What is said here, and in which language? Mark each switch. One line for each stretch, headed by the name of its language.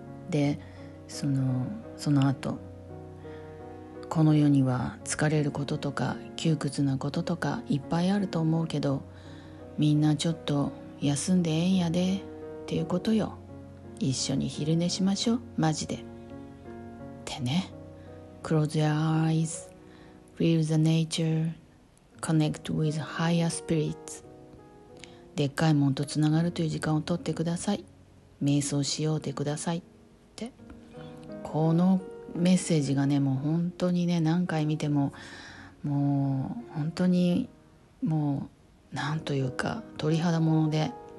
Japanese: で、その後。この世には疲れることとか窮屈なこととかいっぱいあると思うけど、みんなちょっと休んでええんやでっていうことよ。一緒に昼寝しましょう、マジで。ってね。
English: Close your eyes, feel the nature, connect with higher spirits.
Japanese: でっかいもんとつながるという時間をとってください。瞑想しようでください。って。このメッセージがね、もう本当にね、何回見てももう本当にもうなんというか鳥肌もので、